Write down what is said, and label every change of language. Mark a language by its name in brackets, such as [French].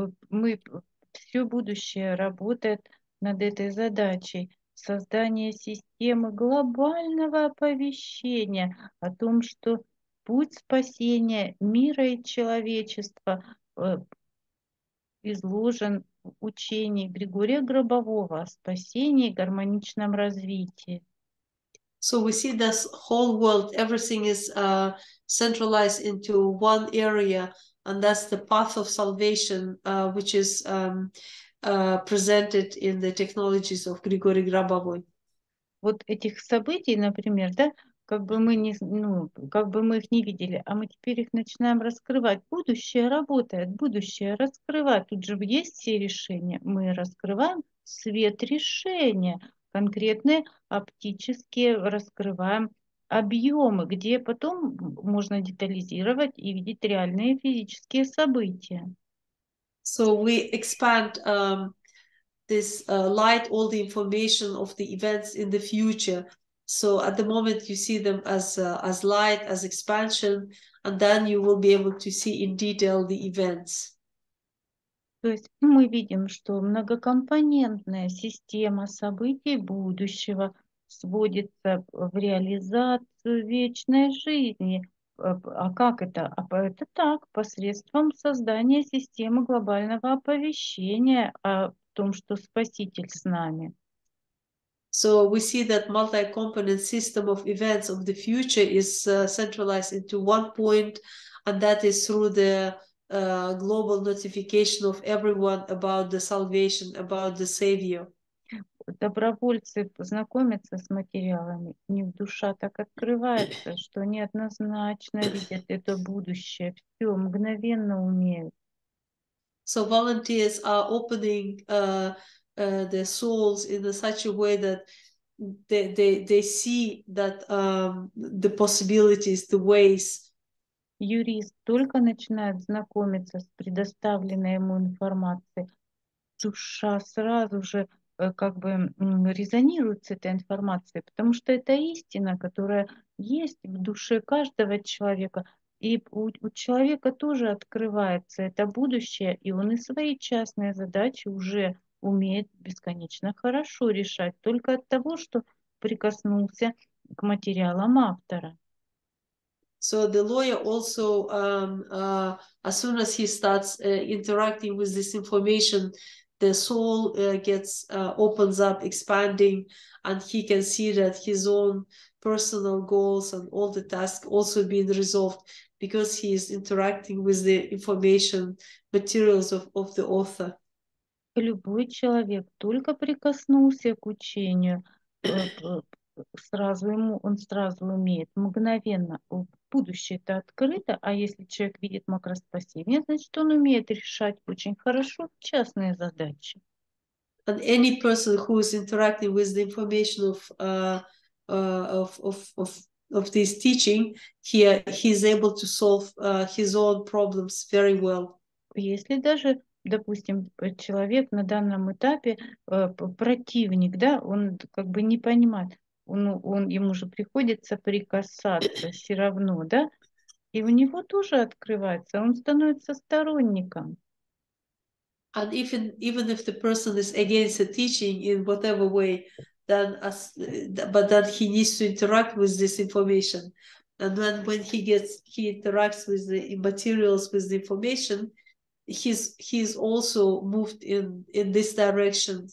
[Russian] Мы все будущее работает над этой задачей создания системы глобального оповещения о том, что путь спасения мира и человечества изложен в учении Григория Гробового о спасении и гармоничном развитии. [English] So we see this whole world, everything is centralized into one area, and that's the path of salvation, which is presented in the technologies of Grigory Grabovoy. [Russian] Вот этих событий, например, да, как бы мы не, ну, как бы мы их не видели, а мы теперь их начинаем раскрывать. Будущее работает, будущее раскрывает. Тут же есть все решения. Мы раскрываем свет решения. Конкретные оптические раскрываем объемы, где потом можно детализировать и видеть реальные физические события. [English] So we expand this light, all the information of the events in the future. So at the moment you see them as light, as expansion, and then you will be able to see in detail the events. [Russian] То есть мы видим, что многокомпонентная система событий будущего сводится в реализацию вечной жизни. А как это? А это так, посредством создания системы глобального оповещения о том, что Спаситель с нами. [English] So we see that multi-component system of events of the future is centralized into one point, and that is through the global notification of everyone about the salvation, about the savior. [Russian] Добровольцы познакомятся с материалами, у них душа так открывается, что они однозначно видят это будущее, все мгновенно умеют. [English] So volunteers are opening their souls in such a way that they see that the possibilities, the ways. [Russian] Юрист только начинает знакомиться с предоставленной ему информацией, душа сразу же как бы резонирует с этой информацией, потому что это истина, которая есть в душе каждого человека, и у человека тоже открывается это будущее, и он и свои частные задачи уже умеет бесконечно хорошо решать только от того, что прикоснулся к материалам автора. [English] So the lawyer also, as soon as he starts interacting with this information, the soul gets opens up, expanding, and he can see that his own personal goals and all the tasks also being resolved because he is interacting with the information materials of the author. [Russian] Любой человек только прикоснулся к учению, сразу ему он сразу умеет мгновенно. Будущее это открыто, а если человек видит макроспасение, значит он умеет решать очень хорошо частные задачи. [English] And any person who is interacting with the information of this teaching, he is able to solve his own problems very well. [Russian] Если даже, допустим, человек на данном этапе противник, да, он как бы не понимает. Он ему же приходится прикасаться все равно, да? И у него тоже открывается, он становится сторонником. [English] And even if the person is against the teaching in whatever way, then he needs to interact with this information. And then when he interacts with the materials, with the information, he's also moved in this direction.